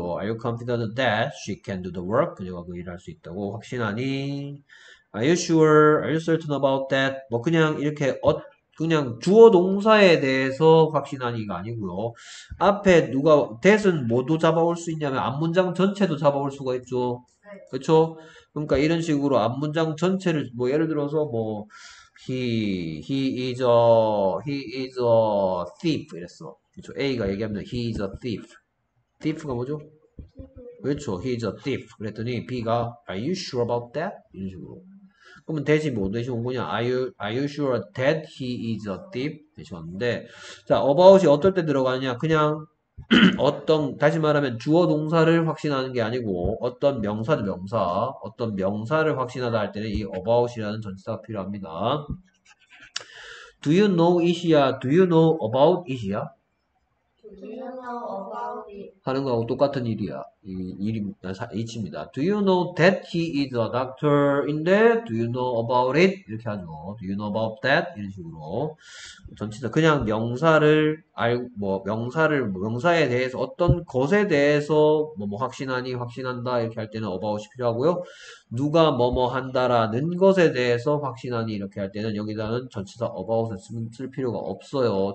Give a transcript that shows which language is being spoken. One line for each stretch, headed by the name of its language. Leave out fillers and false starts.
English: Are you confident that she can do the work?
Korean: 그녀가 그 일을 할수 있다고 확신 아니.
English: Are you sure? Are you certain about that?
Korean: 뭐 그냥 이렇게 그냥 주어 동사에 대해서 확신 아니가 아니고요. 앞에 누가 that은 뭐도 잡아올 수 있냐면 앞문장 전체도 잡아올 수가 있죠. 그렇죠? 그러니까 이런 식으로 앞문장 전체를 뭐 예를 들어서 뭐
English: he is a thief
Korean: 이랬어. 그쵸. A가 얘기합니다.
English: He is a thief.
Korean: Thief가 뭐죠? 그렇죠. He is a thief. 그랬더니 B가
English: Are you sure about that?
Korean: 이런 식으로. 그러면 대신 뭐 대신 온 거냐?
English: Are you sure that he is a thief?
Korean: 대신 왔는데 자, about이 어떨 때 들어가느냐? 그냥 어떤 다시 말하면 주어 동사를 확신하는 게 아니고 어떤 명사죠. 명사. 어떤 명사를 확신하다 할 때는 이 about이라는 전치사가 필요합니다.
English: Do you know it이야? Do you know about it이야? Do you know about it?
Korean: 하는 거하고 똑같은 일이야. H입니다.
English: Do you know that he is a doctor인데, Do you know about it?
Korean: 이렇게 하죠.
English: Do you know about that?
Korean: 이런 식으로. 전치사 그냥 명사에 대해서, 어떤 것에 대해서, 뭐뭐 확신하니, 확신한다. 이렇게 할 때는 about이 필요하고요. 누가 뭐뭐 한다라는 것에 대해서 확신하니, 이렇게 할 때는 여기다는 전치사 about을 쓸 필요가 없어요.